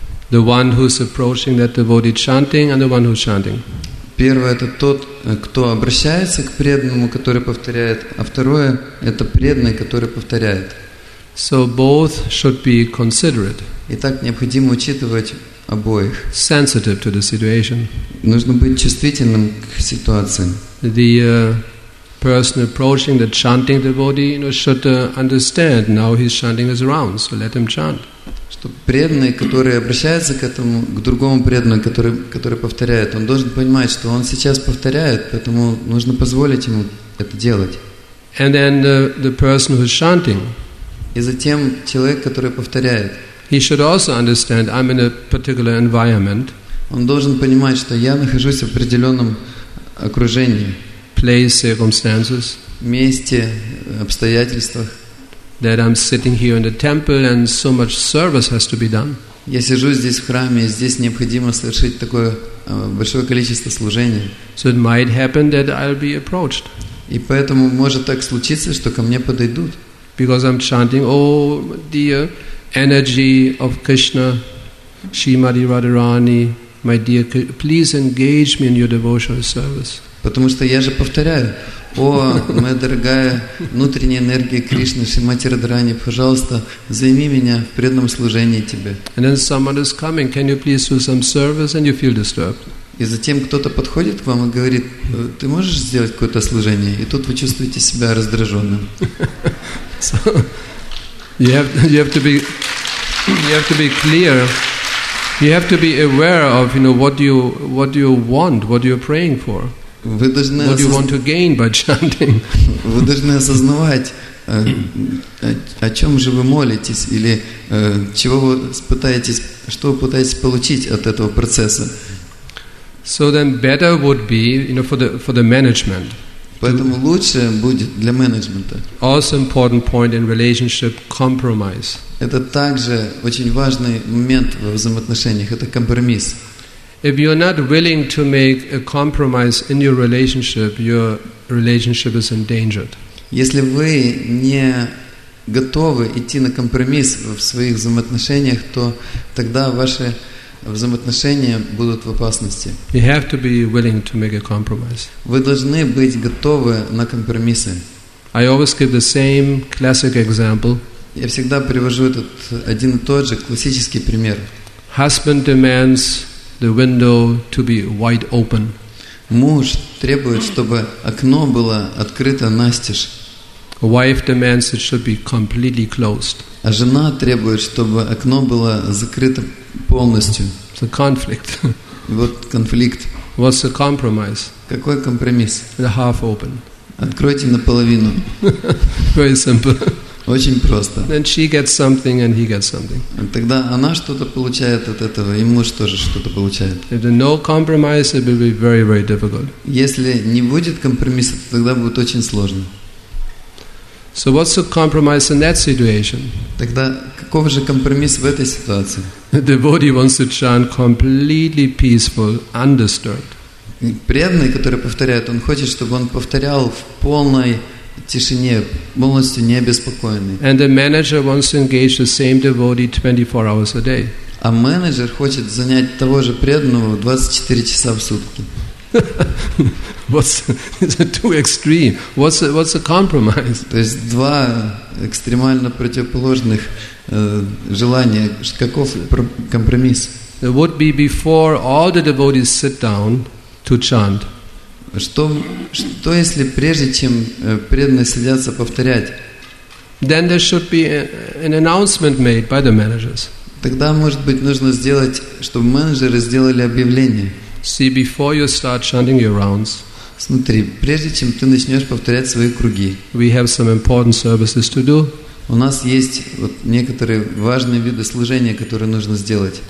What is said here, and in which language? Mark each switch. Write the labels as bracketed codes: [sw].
[en] The one who's approaching that devotee chanting and the one who's chanting. [ru] Первое — это тот, кто обращается к преданному, который повторяет, а второе — это преданный, который повторяет. [en] So both should be considerate. [ru] Итак, необходимо учитывать обоих. [en] Sensitive to the situation. [ru] Нужно быть чувствительным к ситуации. [en] The person approaching the chanting devotee, you know, should understand now he's chanting his rounds, so let him chant. [ru] Что преданный, который обращается к этому, к другому преданному, который повторяет, он должен понимать, что он сейчас повторяет, поэтому нужно позволить ему это делать. [en] And then the person who's chanting. [ru] И затем человек, который повторяет. [en] He should also understand I'm in a particular environment. [ru] Он должен понимать, что я нахожусь в определенном окружении. [en] Place, circumstances. [ru] Месте, обстоятельствах. [en] That I'm sitting here in the temple and so much service has to be done. [ru] Я сижу здесь в храме, и здесь необходимо совершить такое большое количество служения. [en] So it might happen that I'll be approached. [ru] И поэтому может так случиться, что ко мне подойдут. [en] Because I'm chanting, oh dear, energy of Krishna, Srimati Radharani, my dear, please engage me in your devotional service. [ru] Потому что я же повторяю, о, моя дорогая внутренняя энергия Кришны, Шримати Радхарани, пожалуйста, займи меня в преданном служении тебе. [en] And then someone is coming, can you please do some service, and you feel disturbed. [ru] И затем кто-то подходит к вам и говорит, ты можешь сделать какое-то служение, и тут вы чувствуете себя раздраженным. [en] You have to be clear. You have to be aware of, you know, what do you want, what you're praying for. What do you want to gain by chanting? [ru] Вы должны осознавать, о чем же вы молитесь или чего вы пытаетесь, что вы пытаетесь получить от этого процесса. [en] So then better would be, you know, for the management. [ru] Поэтому лучше будет для менеджмента. [en] Also important point in relationship, compromise. [ru] Это также очень важный момент во взаимоотношениях, это компромисс. [en] If you're not willing to make a compromise in your relationship is endangered. [ru] Если вы не готовы идти на компромисс в своих взаимоотношениях, то тогда ваши взаимоотношения будут в опасности. [en] You have to be willing to make a compromise. [ru] Вы должны быть готовы на компромиссы. [en] I always give the same classic example. [ru] Я всегда привожу этот один и тот же классический пример. [en] Husband demands the window to be wide open. [ru] Муж требует, чтобы окно было открыто настежь. [en] Wife demands it should be completely closed. [ru] А жена требует, чтобы окно было закрыто полностью. [en] It's a conflict. [ru] Вот конфликт. [en] What's the compromise? [ru] Какой компромисс? [en] The half open. [ru] Откройте наполовину. [en] Very simple. [ru] Очень просто. [en] Then she gets something and he gets something. [ru] Тогда она что-то получает от этого, и муж тоже что-то получает. [en] If there's no compromise, it will be very, very difficult. [ru] Если не будет компромисса, тогда будет очень сложно. [en] So what's the compromise in that situation? [ru] Тогда каков же компромисс в этой ситуации? [en] The devotee wants to chant completely peaceful, undisturbed. [ru] Преданный, который повторяет, он хочет, чтобы он повторял в полной тишине, полностью не обеспокоенный. [en] And the manager wants to engage the same devotee 24 hours a day. [ru] А менеджер хочет занять того же преданного 24 часа в сутки. [en] What's too extreme? What's a compromise? [ru] То есть два экстремально противоположных желания. Каков компромисс? [en] It would be before all the devotees sit down to chant. [ru] Что если прежде чем преданные садятся повторять? [en] Then there should be an announcement made by the managers. [ru] Тогда может быть нужно сделать, чтобы менеджеры сделали объявление. [en] See, before you start chanting your rounds. [ru] Смотри, прежде чем ты начнешь повторять свои круги. [en] We have some important services to do. [ru] У нас есть вот некоторые важные виды служения, которые нужно сделать.